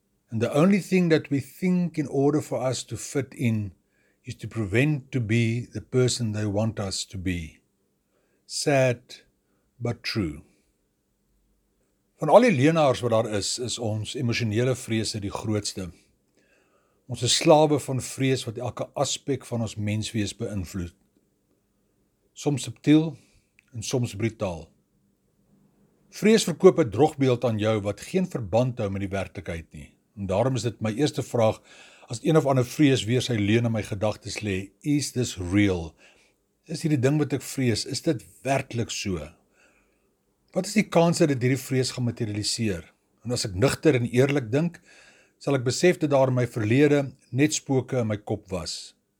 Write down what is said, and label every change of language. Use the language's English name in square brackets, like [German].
[English] And the only thing that we think in order for us to fit in is to prevent to be the person they want us to be. Sad, but true. [Afrikaans] Van al die leenaars wat daar is, is ons emosionele vrese die grootste. Ons is slawe van vrees wat elke aspek van ons menswees beïnvloed. Soms subtiel en soms brutaal. Vrees verkoop 'n drogbeeld aan jou wat geen verband hou met die werklikheid nie. En daarom is dit my eerste vraag, as een of ander vrees weer sy leen in my gedagtes lê, [English] is this real? [Afrikaans] Is hierdie ding wat ek vrees, is dit werklik so? Wat is die kans dat hierdie vrees gaan materialiseer? En as ek nugter en eerlik dink, sal ek besef dat daar in my verlede net spoke in my kop was.